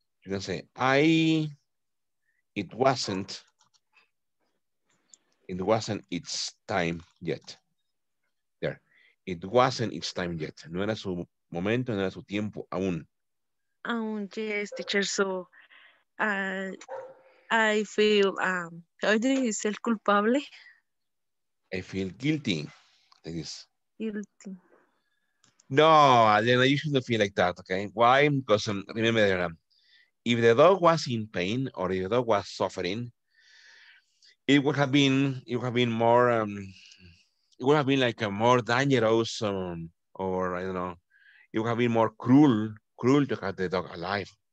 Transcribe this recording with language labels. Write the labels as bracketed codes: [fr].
[en] You can say, it wasn't its time yet. There. It wasn't its time yet. [es] No era su momento, no era su tiempo aún. [en] Aún, yes, teacher. So, I feel, how do you say, culpable? I feel guilty. That is. Guilty. No, Adriana, you shouldn't feel like that, okay? Why? Because remember, Adriana, if the dog was in pain or if the dog was suffering, it would have been like a more dangerous or I don't know, it would have been more cruel to have the dog alive.